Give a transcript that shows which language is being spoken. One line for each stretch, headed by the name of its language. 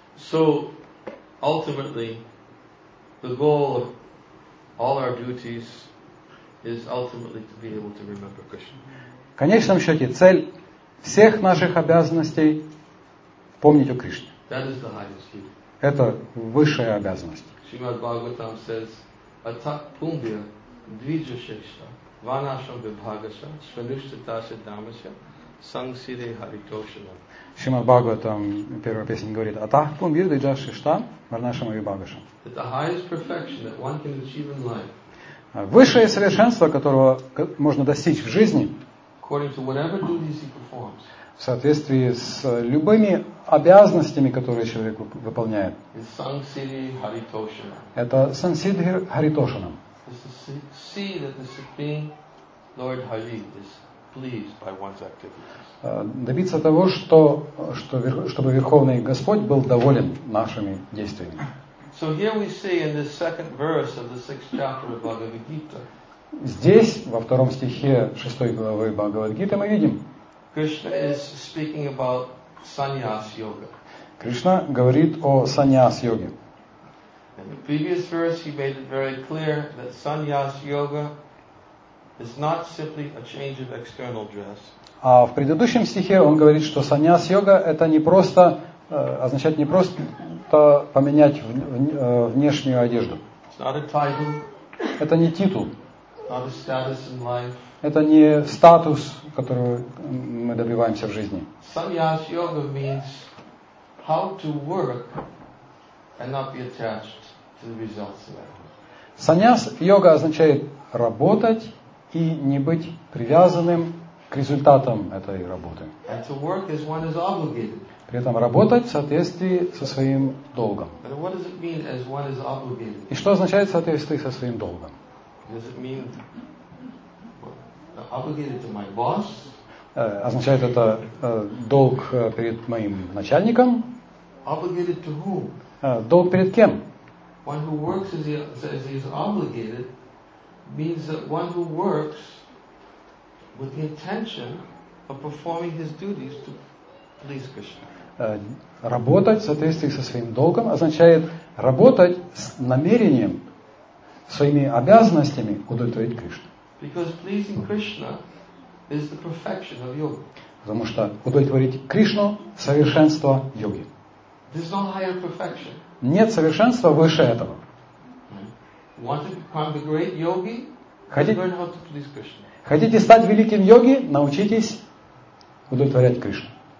English: So, ultimately, the goal of all our duties is ultimately to be able to remember Krishna.
Russian: В конечном счете, цель всех наших обязанностей – помнить о Кришне.
English: That is the highest duty.
Russian: Это высшая обязанность.
Sanskrit: Shrimad Bhagavatam says, Atak Pumbhya Dvija Shesha Vanasham Vibhagasha Svanushtatasya Dhamasya Sang Sire Haritoshana.
Russian: Шримад Бхагаватам, первая песня говорит,
Sanskrit: Атах Пумбир Дриджа Шишта Варнашам Вибхагаша.
English: That the highest perfection that one can achieve in life,
Russian: высшее совершенство, которого можно достичь в жизни,
English: according to whatever duties he performs,
Russian: в соответствии с любыми обязанностями, которые человек выполняет,
Sanskrit: is Sang Sire Haritoshana.
Russian: Это
Sanskrit: Sang Sire Haritoshana.
English: See that the Supreme Lord Hari is pleased by one's activities.
Russian: Добиться того, чтобы Верховный Господь был доволен нашими действиями.
English: So here we see in the second verse of the sixth chapter of Bhagavad Gita.
Russian: Здесь во втором стихе шестой главы Бхагавад Гиты мы видим.
English: Krishna is speaking about sannyas yoga.
Russian: Кришна говорит о sannyas йоге.
English: In the previous verse, he made it very clear that sannyas yoga is not simply a change of external dress.
Russian: А в предыдущем стихе он говорит, что sannyas yoga это не просто означает не просто поменять внешнюю одежду.
English: It's not a title.
Russian: Это не титул.
English: Not a status in life.
Russian: Это не статус, который мы добиваемся в жизни.
English: Sannyas yoga means how to work and not be attached to the results of that.
Russian: Sannyas yoga означает работать и не быть привязанным к результатам этой работы.
English: And to work as one is obligated.
Russian: При этом работать в соответствии со своим долгом.
English: And what does it mean as one is obligated?
Russian: И что означает соответствие со своим долгом?
English: Does it mean obligated to my boss?
Russian: Означает это долг перед моим начальником?
English: Obligated to whom?
Russian: Долг перед кем?
English: One who works as he is obligated means that one who works with the intention of performing his duties to please Krishna.
Russian: Работать в соответствии со своим долгом означает работать с намерением, своими обязанностями удовлетворить Кришну.
English: Because pleasing Krishna is the perfection of yoga.
Russian: Потому что удовлетворить Кришну – совершенство йоги.
English: There's no higher perfection.
Russian: Нет совершенства выше этого.
English: Want to become the great yogi? Learn how to please Krishna.
Russian: Хотите стать великим йоги? Научитесь удовлетворять Кришну.